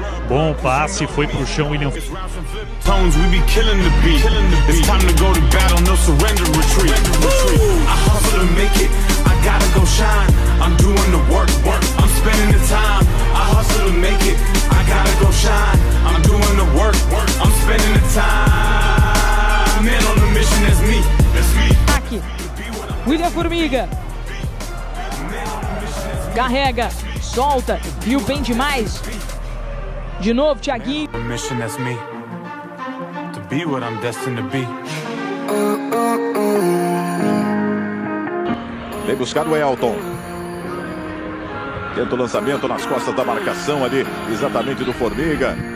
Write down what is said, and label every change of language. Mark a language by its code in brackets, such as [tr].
[pt] Bom passe, foi pro chão, William. [en] Tones, we be killing the beat. It's time to go to battle, no surrender retreat. I hustle to make it, I gotta go shine. I'm doing the work, work, I'm spending the time. I hustle to make it, I gotta go shine. I'm doing the work, work, I'm spending the time. Man on the mission, that's me, that's me. [pt] Aqui. William Formiga, carrega, solta, viu bem demais, de novo Thiaguinho. [en] A mission is me, to be what I'm destined to be. [pt] Vem buscar o Elton, tenta o lançamento nas costas da marcação ali, exatamente do Formiga.